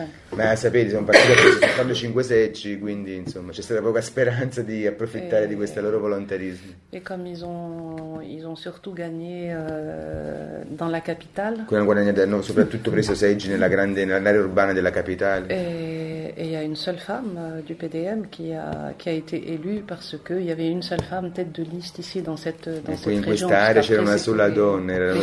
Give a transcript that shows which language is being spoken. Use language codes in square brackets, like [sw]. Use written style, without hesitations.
[it] ma sapete, sono partito con soltanto 5 seggi, quindi insomma c'è stata poca speranza di approfittare di questo loro volontarismo. [fr] E come ils ont surtout gagné dans la capitale. [it] Quello guadagnato hanno soprattutto preso seggi nella grande nell'area urbana della capitale. [fr] E il y a une seule femme du PDM qui a été élue parce que il y avait une seule femme tête de liste ici dans cette région. [it] In questa area c'era una sola donna,